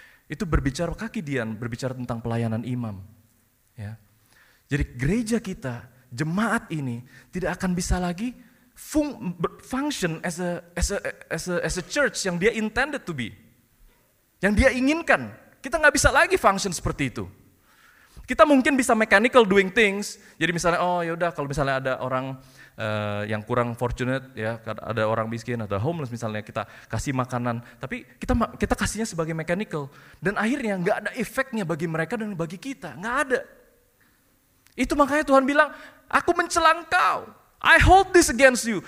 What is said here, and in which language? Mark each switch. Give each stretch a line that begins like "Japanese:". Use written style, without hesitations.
Indonesian: Itu berbicara kaki dian, berbicara tentang pelayanan imam. Ya. Jadi gereja kita, jemaat ini, tidak akan bisa lagi
English: function as a church
Indonesian: yang dia
English: intended to be.
Indonesian: Yang dia inginkan. Kita gak bisa lagi function seperti itu. Kita mungkin bisa
English: mechanical doing things.
Indonesian: Jadi misalnya, oh yaudah kalau misalnya ada orang yang kurang fortunate, ya ada orang miskin atau homeless misalnya, kita kasih makanan. Tapi kita kasihnya sebagai mechanical. Dan akhirnya gak ada efeknya bagi mereka dan bagi kita. Gak ada. Itu makanya Tuhan bilang, aku mencela engkau.
English: I hold this against you.